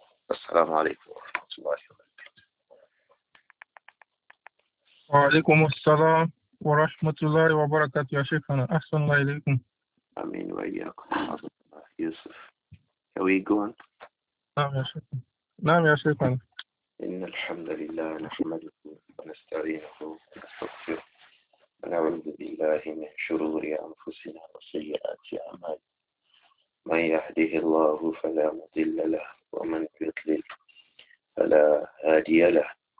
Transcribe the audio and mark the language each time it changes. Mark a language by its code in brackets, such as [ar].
[ar] السلام عليكم ورحمة الله وبركاته. وعليكم السلام ورحمة الله وبركاته يا شيخنا، أحسن الله إليكم. آمين وإياكم. يوسف، [en] how are you going؟ [ar] نعم يا شيخنا، نعم يا شيخنا. إن الحمد لله نحمده ونستعينه ونستغفره ونعوذ بالله من شرور أنفسنا وسيئات أعمالنا، من يهده الله فلا مضل له ومن يضلل فلا هادي له.